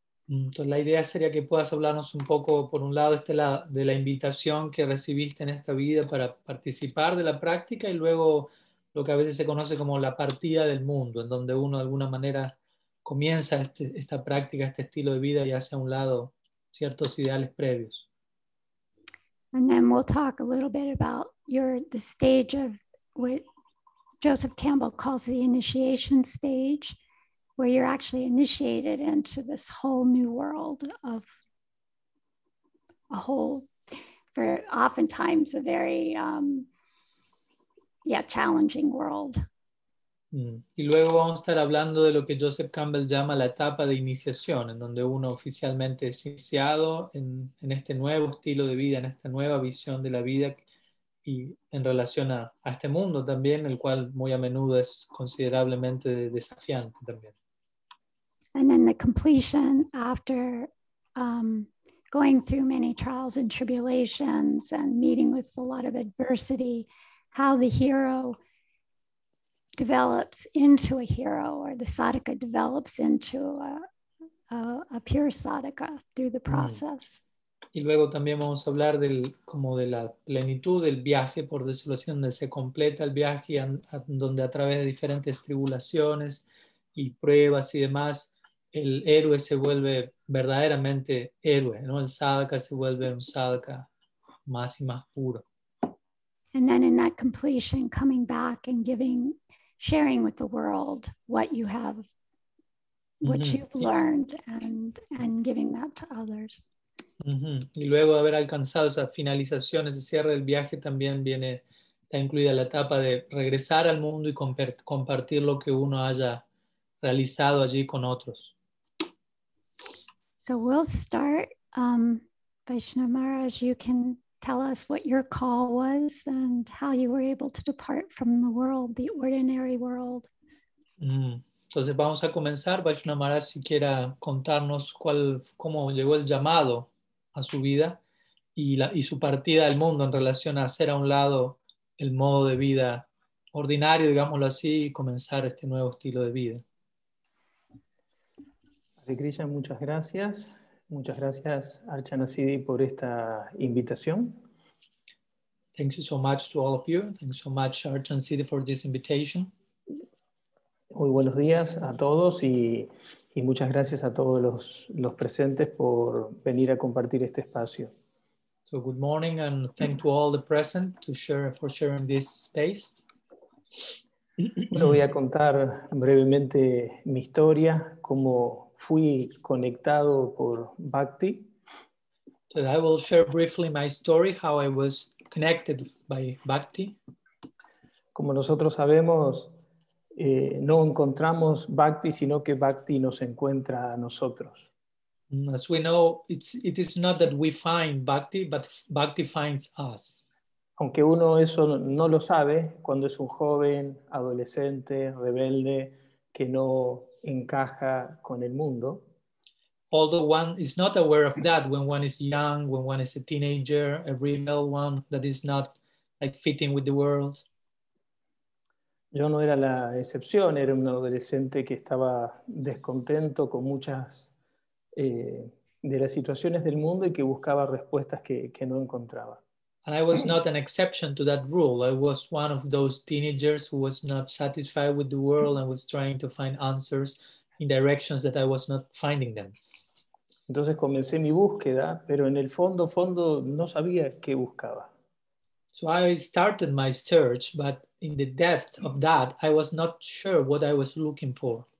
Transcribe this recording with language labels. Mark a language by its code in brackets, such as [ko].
[es] Entonces la idea sería que puedas hablarnos un poco, por un lado, de la invitación que recibiste en esta vida para participar de la práctica y luego lo que a veces se conoce como la partida del mundo, en donde uno de alguna manera comienza esta práctica, este estilo de vida y hace a un lado ciertos ideales previos. [en] And then we'll talk a little bit about the stage of what Joseph Campbell calls the initiation stage, where you're actually initiated into this whole new world of a whole, for oftentimes a very, challenging world. [es] Y luego vamos a estar hablando de lo que Joseph Campbell llama la etapa de iniciación, en donde uno oficialmente es iniciado en este nuevo estilo de vida, en esta nueva visión de la vida y en relación a este mundo también, el cual muy a menudo es considerablemente desafiante también. [en] And then the completion after going through many trials and tribulations and meeting with a lot of adversity, how the hero develops into a hero, or the sadhaka develops into a pure sadhaka through the process. [es] Y luego también vamos a hablar del como de la plenitud del viaje, por decirlo así, donde se completa el viaje y donde a través de diferentes tribulaciones y pruebas y demás, el héroe se vuelve verdaderamente héroe, ¿no? El sadhaka se vuelve un sadhaka más y más puro. [en] And then in that completion, coming back and sharing with the world what you've learned and giving that to others. Mm-hmm. [es] Y luego de haber alcanzado esa finalización, ese cierre del viaje, también viene, está incluida la etapa de regresar al mundo y compartir lo que uno haya realizado allí con otros. [en] So we'll start, Vaishnava Maharaj, you can tell us what your call was and how you were able to depart from the world, the ordinary world. [es] Entonces vamos a comenzar, Vaishnava Maharaj, si quiera contarnos cómo llegó el llamado a su vida y su partida al mundo en relación a hacer a un lado el modo de vida ordinario, digámoslo así, y comenzar este nuevo estilo de vida. Hare Krishna, muchas gracias. Muchas gracias, Archana Siddhi, por esta invitación. [en] Thanks so much to all of you. Thanks so much, Archana Siddhi, for this invitation. [es] Muy buenos días a todos y muchas gracias a todos los presentes por venir a compartir este espacio. [en] So good morning and thank to all the present for sharing this space. [es] Bueno, voy a contar brevemente mi historia, cómo fui conectado por Bhakti. [en] So I will share briefly my story, how I was connected by Bhakti. [es] Como nosotros sabemos, no encontramos Bhakti, sino que Bhakti nos encuentra a nosotros. [en] As we know, it is not that we find Bhakti, but Bhakti finds us. [es] Aunque uno eso no lo sabe, cuando es un joven, adolescente, rebelde, que no encaja con el mundo. [en] Although one is not aware of that when one is young, when one is a teenager, a rebel one that is not like fitting with the world. [es] Yo no era la excepción, era un adolescente que estaba descontento con muchas de las situaciones del mundo y que buscaba respuestas que no encontraba. [en] And I was not an exception to that rule. I was one of those teenagers who was not satisfied with the world and was trying to find answers in directions that I was not finding them. [es] Entonces comencé mi búsqueda, pero en el fondo, no sabía qué buscaba. [en] So I started my search, but in the depth of that, I was not sure what I was looking for.